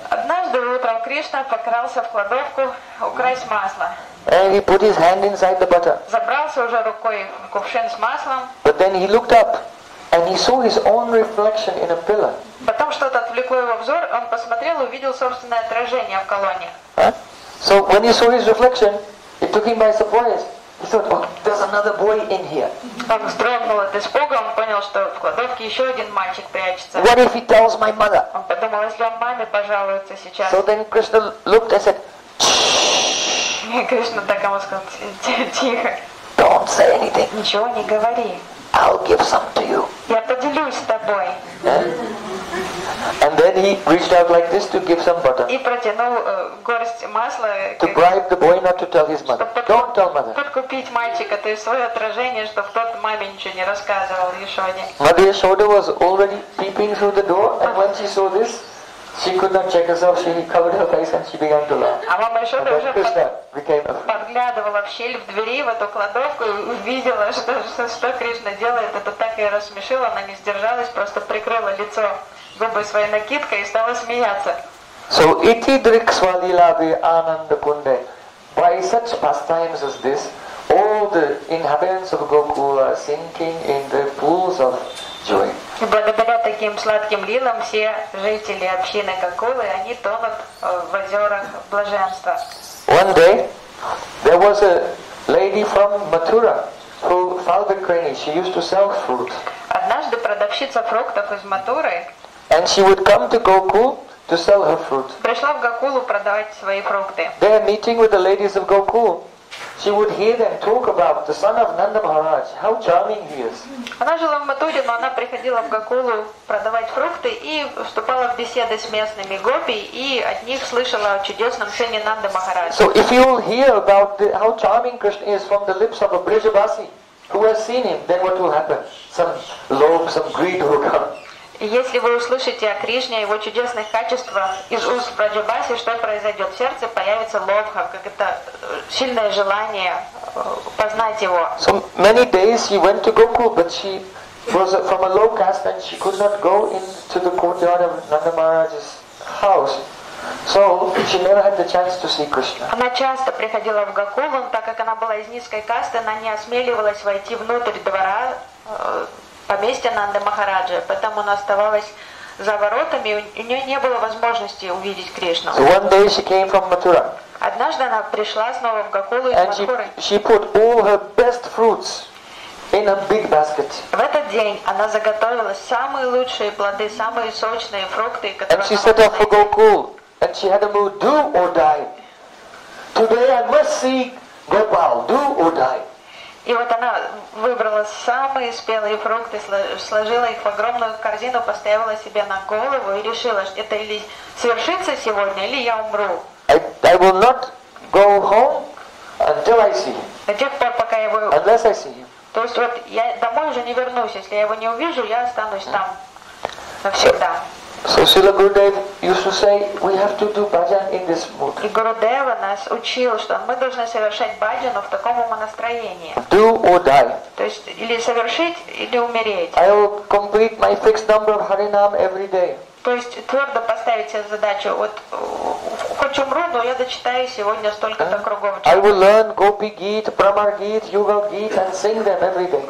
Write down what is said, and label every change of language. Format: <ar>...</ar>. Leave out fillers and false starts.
<ru>Однажды утром Кришна покрался в кладовку украсть масло.</ru> <en>And he put his hand inside the butter.</en> <ru>Забрался уже рукой в кувшин с маслом.</ru> <en>But then he looked up. And he saw his own reflection in a pillar.</en> <ru>Потом что-то отвлекло его взор, он посмотрел и увидел собственное отражение в колонне.</ru> <en>So when he saw his reflection, it took him by surprise. He thought, oh, there's another boy in here.</en> <ru>Он вздрогнул от испуга, он понял, что в кладовке еще один мальчик прячется.</ru> <en>What if he tells my mother?</en> <ru>Он подумал, если он маме пожалуется сейчас.</ru> <en>So then Krishna looked and said,</en> <ru>и Кришна так ему сказал, тихо.</ru> <en>Don't say anything.</en> <ru>Ничего не говори.</ru> <en>I'll give some to you.</en> <ru>Я поделюсь с тобой.</ru> <en>And then he reached out like this to give some butter.</en> <ru>И протянул горсть масла.</ru> <en>To bribe the boy not to tell his mother. Don't tell mother.</en> <ru>Подкупить мальчика, то есть свое отражение, чтобы тот маме ничего не рассказывал Ишоде.</ru> <en>Mother Yashoda was already peeping through the door, and when she saw this, she could not check herself. She covered her face and she began to laugh.</en> <ru>А мама Ишода уже</ru> <en>Krishna</en> <ru>подглядывала в щель в двери в эту кладовку и увидела, что Кришна делает. Это так ее рассмешило, она не сдержалась, просто прикрыла лицо губы своей накидкой и стала смеяться.</ru> <sa>So iti drikswali labi ananda kunde.</sa> <en>By such pastimes as this, all the inhabitants of Gokul are sinking in the pools of joy.</en> <ru>И благодаря таким сладким лилам все жители общины Гокулы, они тонут в озерах блаженства.</ru> <en>One day, there was a lady from Mathura who found a cranny. She used to sell fruit.</en> <ru>Однажды продавщица фруктов из Матуры.</ru> <en>And she would come to Gokul to sell her fruit.</en> <ru>Пришла в Гокулу продавать свои фрукты.</ru> <en>They are meeting with the ladies of Gokul. She would hear them talk about the son of Nanda Maharaj. How charming he is!</en> <ru>Она жила в Матуре, но она приходила в Гокулу продавать фрукты и вступала в беседы с местными гопи и от них слышала о чудесном Шене Нанда Махарадже.</ru> <en>So if you will hear about how charming Krishna is from the lips of a Brijavasi who has seen him, then what will happen? Some lobe, some greed will come.</en> <ru>Если вы услышите о Кришне, о его чудесных качествах из уст Праджабаси, что произойдет? В сердце появится лобха, как это сильное желание познать его.</ru> <en>So many days she went to Gokul, but she was from a low caste and she could not go into the courtyard of Nanda Maharaj's house. So she never had the chance to see Krishna.</en> <ru>Она часто приходила в Гокулу, так как она была из низкой касты, она не осмеливалась войти внутрь двора. Поместье Нанды Махараджи, поэтому она оставалась за воротами, и у нее не было возможности увидеть Кришну.</ru> <en>So one day she came from Mathura.</en> <ru>Однажды она пришла снова в Гокулу из Матхуры.</ru> <en>She put all her best fruits in a big basket.</en> <ru>В этот день она заготовила самые лучшие плоды, самые сочные фрукты, которые</ru> <en>And she set off for Gokul, and she had a mood, do or die. Today I must see Gopal, do or die.</en> <ru>И вот она выбрала самые спелые фрукты, сложила их в огромную корзину, поставила себе на голову и решила, что это или свершится сегодня, или я умру.</ru> <en>I will not go home until I see him.</en> <ru>До тех пор, пока я его...</ru> <en>Unless I see him.</en> <ru>То есть вот я домой уже не вернусь, если я его не увижу, я останусь там навсегда.</ru> <en>So Srila Gurudev used to say, we have to do bhajan in this mood.</en> <ru>И Гурудева нас учил, что мы должны совершать бхаджану в таком настроении.</ru> <en>Do or die.</en> <ru>То есть или совершить, или умереть.</ru> <en>I will complete my fixed number of harinam every day.</en> <ru>То есть твердо поставить себе задачу, вот хоть умру, но я дочитаю сегодня столько-то кругов.</ru> <en>I will learn Gopi Gita, Brahmar Gita, Yugal Gita and sing them every day.</en>